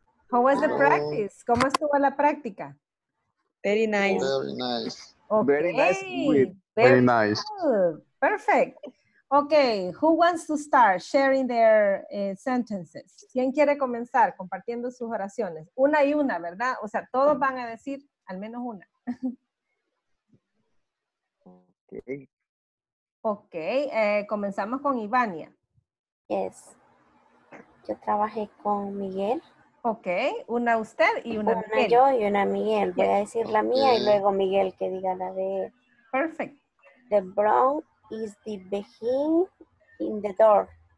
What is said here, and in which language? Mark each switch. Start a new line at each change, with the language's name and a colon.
English: How was the practice?
Spanish: ¿Cómo estuvo la práctica?
English: Very nice. Very nice. Okay. Very nice. Very nice. Perfect. Okay, who wants to start sharing their sentences?
Spanish: ¿Quién quiere comenzar compartiendo sus oraciones? Una y una, ¿verdad? O sea, todos van a decir al menos una.
English: Okay.
Spanish: Okay, comenzamos con Ivania. Yes. Yo trabajé con Miguel. Okay, una usted y una Miguel. Una yo y una Miguel. Voy a decir la mía y luego Miguel que diga la de él.
English: Perfect. The brown is the behind in the door.